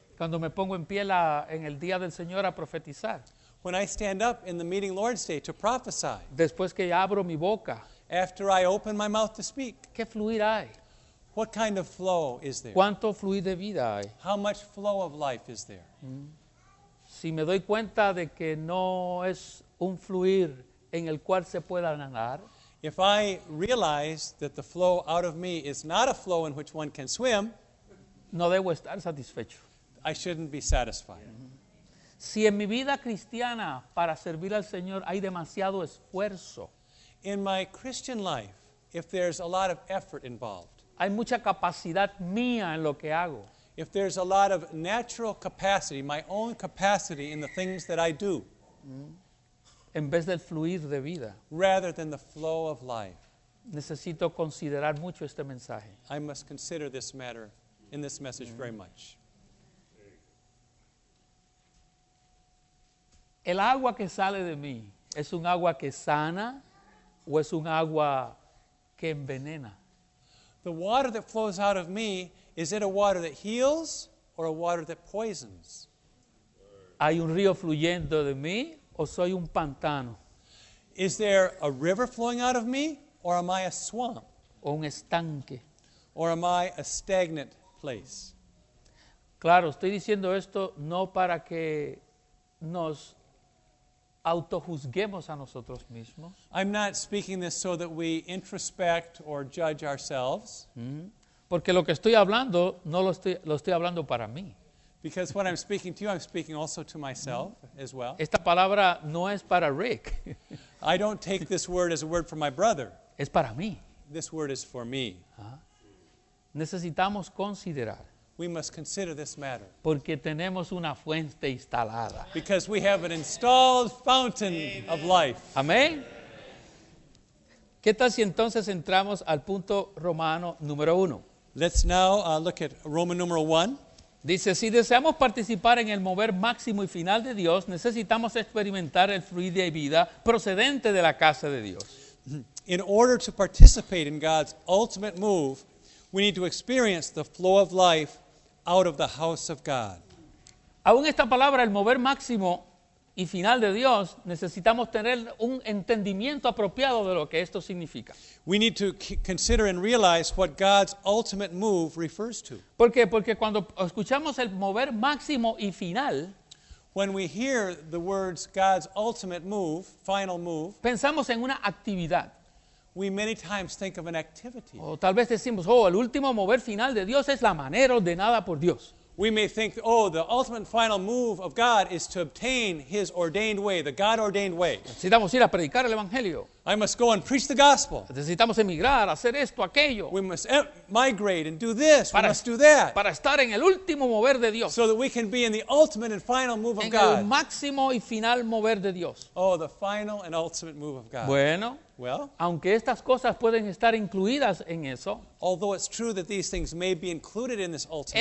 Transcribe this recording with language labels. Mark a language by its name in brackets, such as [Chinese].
[Spanish] Cuando me pongo en pie en el día del Señor a profetizar. [English] When I stand up in the meeting Lord's Day to prophesy. [Spanish] Después que abro mi boca. [English] After I open my mouth to speak. [Spanish] ¿Qué fluir hay? [English] What kind of flow is there? [Spanish] ¿Cuánto fluir de vida hay? [English] How much flow of life is there? [Spanish] Si me doy cuenta de que no es un fluir en el cual se pueda nadar. [English] If I realize that the flow out of me is not a flow in which one can swim. [Spanish] No debo estar satisfecho. [English] I shouldn't be satisfied. [Spanish] Si en mi vida cristiana para servir al Señor hay demasiado esfuerzo. [English] In my Christian life, if there's a lot of effort involved. [Spanish] Hay mucha capacidad mía en lo que hago. [English] If there's a lot of natural capacity, my own capacity in the things that I do. [Spanish] En vez del fluir de vida. [English] Rather than the flow of life. [Spanish] Necesito considerar mucho este mensaje. [English] I must consider this matter in this message very much. [Spanish] El agua que sale de mí, ¿es un agua que sana o es un agua que envenena? [English] The water that flows out of me, is it a water that heals or a water that poisons? [Spanish] ¿Hay un río fluyendo de mí o soy un pantano? [English] Is there a river flowing out of me or am I a swamp? [Spanish] ¿O un estanque? [English] Or am I a stagnant place? [Spanish] Claro, estoy diciendo esto no para que nos autojuzguemos a nosotros mismos. [English] I'm not speaking this so that we introspect or judge ourselves. [Spanish] Porque lo que estoy hablando, no lo estoy hablando para mí. [English] Because what I'm speaking to you, I'm speaking also to myself as well. [Spanish] Esta palabra no es para Rick. [English] I don't take this word as a word for my brother. [Spanish] Es para mí. [English] This word is for me. [Spanish] Necesitamos considerar. [English] We must consider this matter. [Spanish] Porque tenemos una fuente instalada. [English] Because we have an installed fountain of life. [Spanish] Amén. ¿Qué tal si entonces entramos al punto romano número uno? [English] Let's now look at Roman number one. [Spanish] Dice, si deseamos participar en el mover máximo y final de Dios, necesitamos experimentar el fluir de vida procedente de la casa de Dios. [English] In order to participate in God's ultimate move, we need to experience the flow of life out of the house of God. [Spanish] Aún esta palabra, el mover máximo y final de Dios, necesitamos tener un entendimiento apropiado de lo que esto significa. [English] We need to consider and realize what God's ultimate move refers to. [Spanish] ¿Por qué? Porque cuando escuchamos el mover máximo y final, [English] when we hear the words God's ultimate move, final move, [Spanish] pensamos en una actividad. [English] We many times think of an activity. [Spanish] O tal vez decimos, el último mover final de Dios es la manera ordenada por Dios. [English] We may think, the ultimate final move of God is to obtain His ordained way, the God-ordained way. [Spanish] Necesitamos ir a predicar el Evangelio. [English] I must go and preach the gospel. [Spanish] Necesitamos emigrar, hacer esto, aquello. [English] We must migrate and do this, we must do that. [Spanish] Para estar en el último mover de Dios. [English] So that we can be in the ultimate and final move of [Spanish] God. En el máximo y final mover de Dios. [English] Oh, the final and ultimate move of God. [Spanish] Bueno. [English] Well, [Spanish] aunque estas cosas pueden estar incluidas en eso, [English] although it's true that these things may be included in this ultimate,